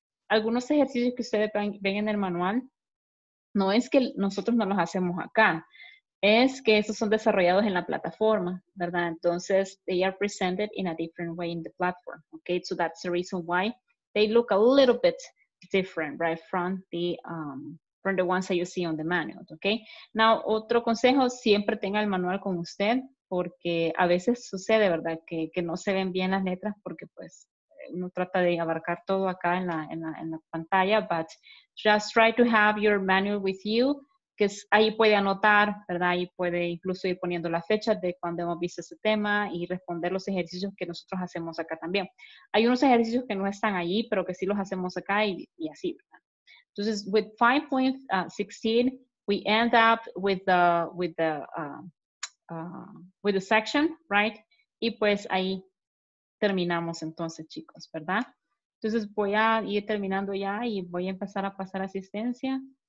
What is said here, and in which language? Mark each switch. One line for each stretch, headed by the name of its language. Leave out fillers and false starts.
Spanish: Algunos ejercicios que ustedes ven en el manual, no es que nosotros no los hacemos acá. Es que esos son desarrollados en la plataforma, ¿verdad? Entonces,
English: they are presented in a different way in the platform, okay? So that's the reason why they look a little bit different, right? From the ones that you see on the manual, okay? Now,
Spanish: otro consejo, siempre tenga el manual con usted, porque a veces sucede, ¿verdad? Que no se ven bien las letras, porque pues uno trata de abarcar todo acá en la pantalla,
English: but just try to have your manual with you,
Spanish: que es, ahí puede anotar, ¿verdad? Ahí puede incluso ir poniendo las fechas de cuando hemos visto ese tema y responder los ejercicios que nosotros hacemos acá también. Hay unos ejercicios que no están allí, pero que sí los hacemos acá y así, ¿verdad? Entonces,
English: with 5.16, we end up with the section, right?
Spanish: Y pues ahí terminamos entonces, chicos, ¿verdad? Entonces, voy a ir terminando ya y voy a empezar a pasar asistencia.